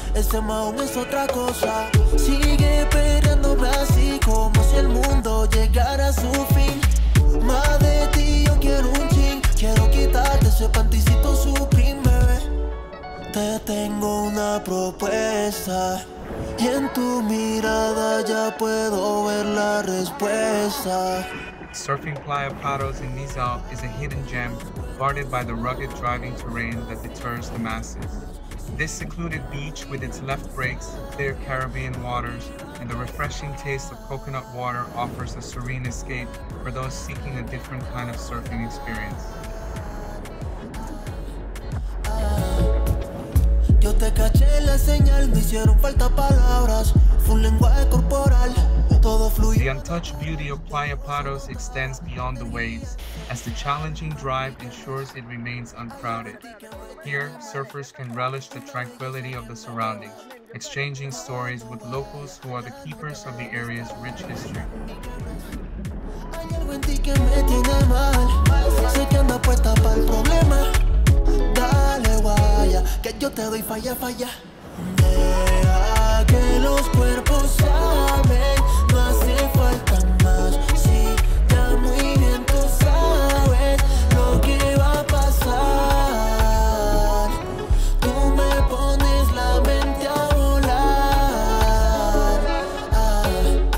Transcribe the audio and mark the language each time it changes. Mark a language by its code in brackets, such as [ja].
[es] Este mahón es otra cosa. Sigue esperándome así, como si el mundo llegara a su fin. Más de ti yo quiero un chin. Quiero quitarte ese panticito supreme, bebé. Te tengo una propuesta. Y en tu mirada ya puedo ver la respuesta. [en] Surfing Playa Prados in Mizal is a hidden gem guarded by the rugged driving terrain that deters the masses. This secluded beach with its left breaks, clear Caribbean waters, and the refreshing taste of coconut water offers a serene escape for those seeking a different kind of surfing experience. [es] Yo te caché la señal, me hicieron falta palabras, full lenguaje corporal. [en] The untouched beauty of Playa Prados extends beyond the waves, as the challenging drive ensures it remains uncrowded. Here, surfers can relish the tranquility of the surroundings, exchanging stories with locals who are the keepers of the area's rich history. [es] Que los cuerpos saben, no hace falta más. Si ya muy bien tú sabes lo que va a pasar. Tú me pones la mente a volar.